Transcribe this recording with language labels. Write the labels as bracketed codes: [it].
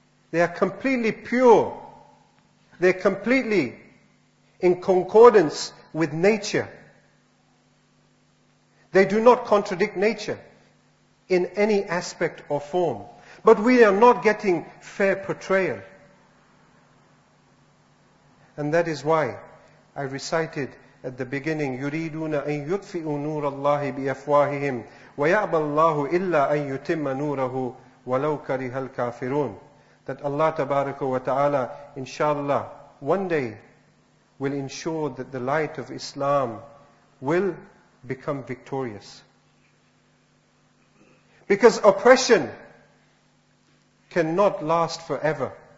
[en] They are completely pure. They're completely in concordance with nature. They do not contradict nature in any aspect or form. But we are not getting fair portrayal. And that is why I recited at the beginning, [ar] يُرِيدُونَ أَن يُطْفِئُوا نُورَ اللَّهِ بِأَفْوَاهِهِمْ وَيَعْبَى اللَّهُ إِلَّا أَن يُتِمَّ نُورَهُ وَلَوْ كَرِهَ الْكَافِرُونَ. [en] That Allah Tabaraka wa Ta'ala, inshallah, one day will ensure that the light of Islam will become victorious. Because oppression cannot last forever.